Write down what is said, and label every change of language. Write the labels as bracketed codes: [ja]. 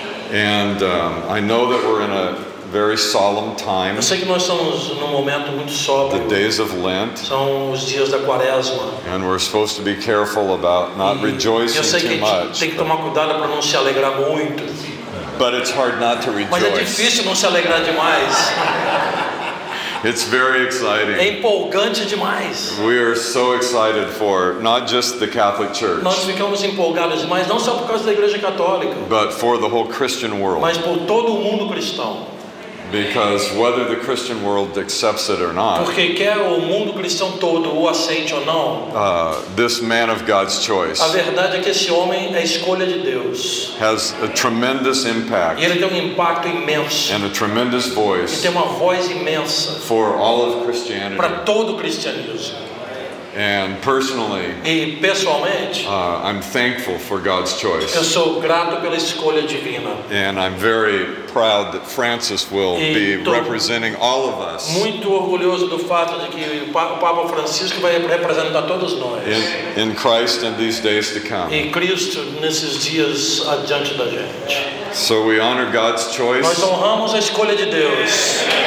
[en] And I know that we're in a very solemn time. [pt] Eu sei que nós estamos num momento muito sóbrio. [en] The days of Lent. [pt] São os dias da Quaresma. [en] And we're supposed to be careful about not rejoicing too much. [pt] Eu sei que a gente tem que tomar cuidado para não se alegrar muito. [en] But it's hard not to rejoice. [pt] Mas é difícil não se alegrar demais. [en] It's very exciting. [pt] É empolgante demais. [en] We are so excited for not just the Catholic Church. [pt] Nós ficamos empolgados, mas não só por causa da Igreja Católica. [en] But for the whole Christian world. [pt] Mas por todo o mundo cristão. [en] Because whether the Christian world accepts it or not. [pt] Porque quer o mundo cristão todo o aceite ou não. [en] This man of God's choice. [pt] A verdade é que esse homem é escolha de Deus. [en] Has a tremendous impact. [pt] E ele tem um impacto imenso. [en] And a tremendous voice. [pt] E tem uma voz imensa. [en] For all of Christianity. [pt] Para todo o cristianismo. [en] And personally, [pt] e pessoalmente, [en] I'm thankful for God's choice. [pt] Eu sou grato pela escolha divina. [en] And I'm very proud that Francis will be representing all of us. [pt] Muito orgulhoso do fato de que o Papa Francisco vai representar todos nós. [en] In Christ in these days to come. [pt] Em Cristo nesses dias adiante da gente. [en] So we honor God's choice. [pt] Nós honramos a escolha de Deus.